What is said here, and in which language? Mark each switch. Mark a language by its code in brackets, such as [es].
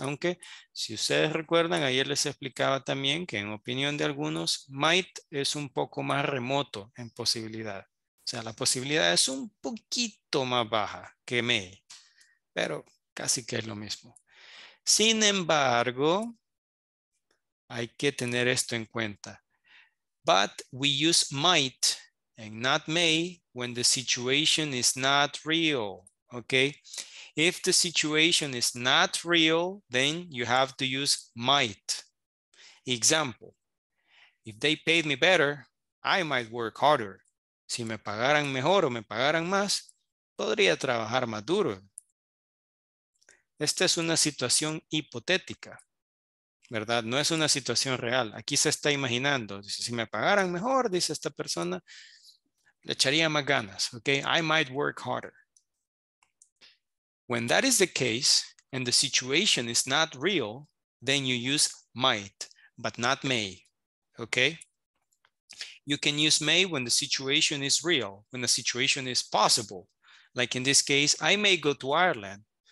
[es] Aunque, si ustedes recuerdan, ayer les explicaba también que en opinión de algunos, might es un poco más remoto en posibilidad. O sea, la posibilidad es un poquito más baja que may, pero casi que es lo mismo. Sin embargo, hay que tener esto en cuenta. [en] But we use might and not may when the situation is not real, okay? If the situation is not real, then you have to use might. Example, if they paid me better, I might work harder. [es] Si me pagaran mejor o me pagaran más, podría trabajar más duro. Esta es una situación hipotética, ¿verdad? No es una situación real. Aquí se está imaginando. Dice, si me pagaran mejor, dice esta persona, le echaría más ganas. [en] Okay? I might work harder. When that is the case and the situation is not real, then you use might, but not may. Okay? You can use may when the situation is real, when the situation is possible. Like in this case, I may go to Ireland.